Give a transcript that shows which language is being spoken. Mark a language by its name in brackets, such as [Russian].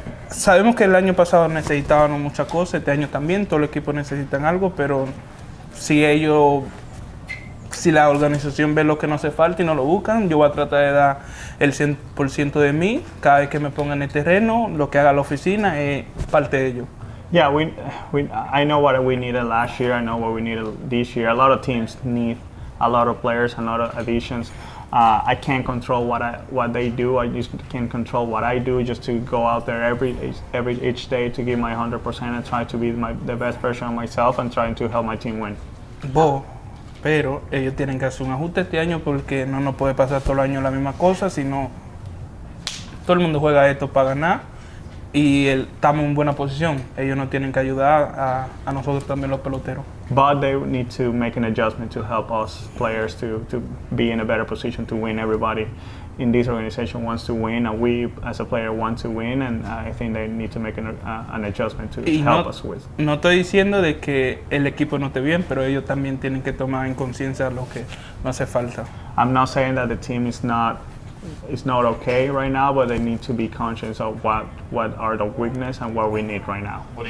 [Spanish] Sabemos que el año pasado necesitaban muchas cosas, este año también, todo el equipo necesitan algo, pero si ellos si la organización ve lo que no hace falta y no lo buscan, yo voy a tratar de dar el 100% de mí. Cada vez que me pongan en el terreno, lo que haga la oficina es parte de ello. [English] Yeah, we I know what we needed last year. I know what we needed this year. A lot of teams need a lot of players, a lot of additions. I can't control what they do. I just can't control what I do. Just to go out there each day to give my 100% and try to be the best version of myself and trying to help my team win. [Spanish] Bo, pero ellos tienen que hacer un ajuste este año porque no nos puede pasar todo el año la misma cosa, sino todo el mundo juega esto para ganar. Y estamos en buena posición. Ellos nos tienen que ayudar a nosotros también los peloteros. [English] But they need to make an adjustment to help us players to be in a better position to win. Everybody in this organization wants to win, and we as a player want to win, and I think they need to make an adjustment to help us with. [Spanish] No estoy diciendo de que el equipo no esté bien, pero ellos también tienen que tomar en conciencia lo que no hace falta. [English] I'm not saying that the team is not. It's not okay right now, but they need to be conscious of what are the weakness and what we need right now.